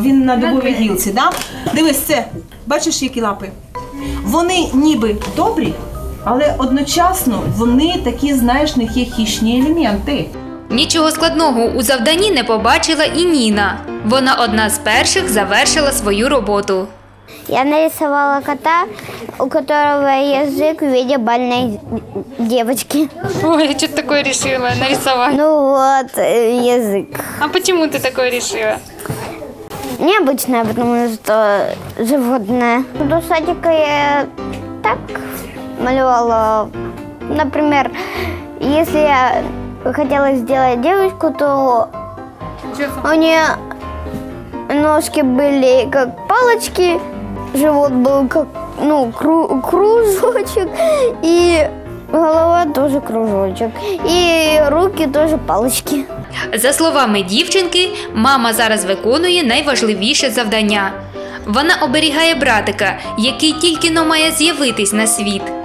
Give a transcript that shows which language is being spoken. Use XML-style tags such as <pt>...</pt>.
<uk>Він на дубовій гілці, да? Дивись, це, бачиш, які лапи? Вони ніби добрі, але одночасно вони такі, знаєш, у них є хищні елементи. Нічого складного у завданні не побачила і Ніна. Вона одна з перших завершила свою роботу.</uk> <ru>Я нарисувала кота, у которого язик в виде бальной девочки. Ой, я что-то такое решила нарисовать. Ну вот, язык. А почему ты такое решила? Необычное, потому что животное.</ru> <uk>До садика я так малювала.</uk> <ru>Например, если я хотела сделать девочку, то у нее ножки были как палочки. Живот был как, ну, кружочек, и голова тоже кружочек, и руки тоже палочки.</ru> <uk>За словами дівчинки, мама зараз виконує найважливіше завдання. Вона оберігає братика, який тільки-но має з'явитись на світ.</uk>